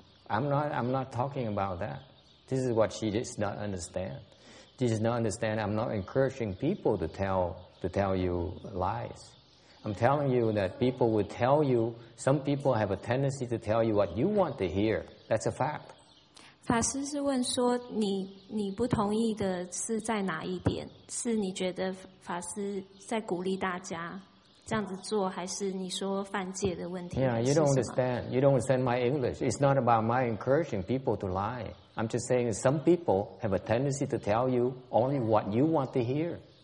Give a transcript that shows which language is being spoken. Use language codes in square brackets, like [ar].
[en] I'm not talking about that. This is what she does not understand. She does not understand. I'm not encouraging people to tell you lies. I'm telling you that people will tell you. Some people have a tendency to tell you what you want to hear. That's a fact. [zh] 法师是问说你不同意的是在哪一点？是你觉得法师在鼓励大家这样子做，还是你说犯戒的问题？ [en] Yeah, you don't understand. You don't understand my English. It's not about my encouraging people to lie. I'm just saying some people have a tendency to tell you only what you want to hear.